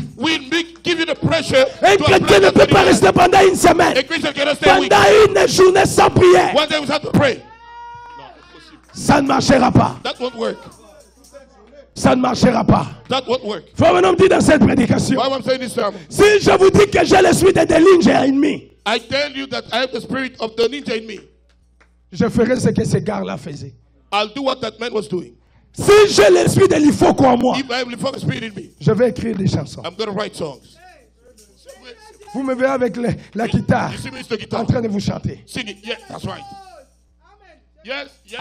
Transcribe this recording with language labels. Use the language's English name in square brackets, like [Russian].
[French] Un chrétien ne peut pas rester pendant une semaine, pendant une journée sans prière. Ça ne marchera pas. [English] That won't work. [French] Ça ne marchera pas. [English] That won't work. [French] Faut un homme dire dans cette prédication. [English] Why am I saying this sermon? [French] Si je vous dis que j'ai l'esprit de ninja en moi. [English] I tell you that I have the spirit of the ninja in me. [French] Je ferai ce que ce gars-là faisait. [English] I'll do what that man was doing. [French] Si j'ai l'esprit de l'ifoko en moi. [English] If I have the spirit in me. [French] Je vais écrire des chansons. [English] I'm going to write songs. [French] Vous me verrez avec la guitare. [English] You see me with the guitar. [French] En train de vous chanter. [English] Sing it. Yeah, that's right. Yes, yes.